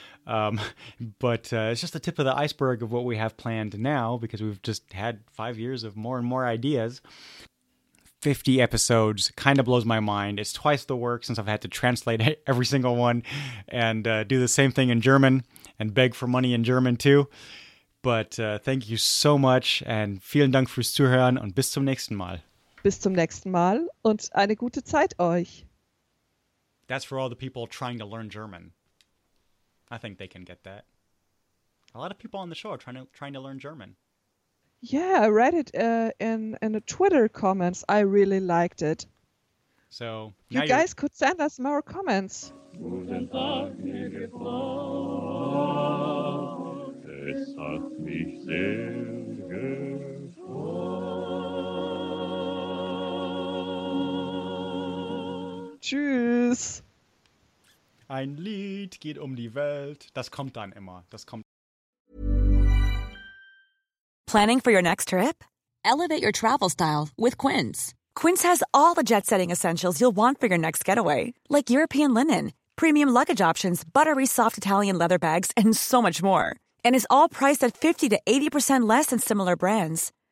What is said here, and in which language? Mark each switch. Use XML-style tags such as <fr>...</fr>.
<en>But it's just the tip of the iceberg of what we have planned now, because we've just had 5 years of more and more ideas. 50 episodes kind of blows my mind. It's twice the work since I've had to translate every single one and do the same thing in German and beg for money in German too. But thank you so much and</en> <de>vielen Dank fürs Zuhören und bis zum nächsten Mal. Bis zum nächsten Mal und eine gute Zeit euch.</de> <en>That's for all the people trying to learn German. I think they can get that. A lot of people on the show are trying to learn German. Yeah, I read it in the Twitter comments. I really liked it. So you guys could send us more comments.</en> <de>Guten Tag, es hat mich sehr gefreut. Tschüss. Ein Lied geht die Welt. Das kommt dann immer. Das kommt.</de> <en>Planning for your next trip? Elevate your travel style with Quince. Quince has all the jet-setting essentials you'll want for your next getaway, like European linen, premium luggage options, buttery soft Italian leather bags, and so much more. And it's all priced at 50 to 80% less than similar brands.</en>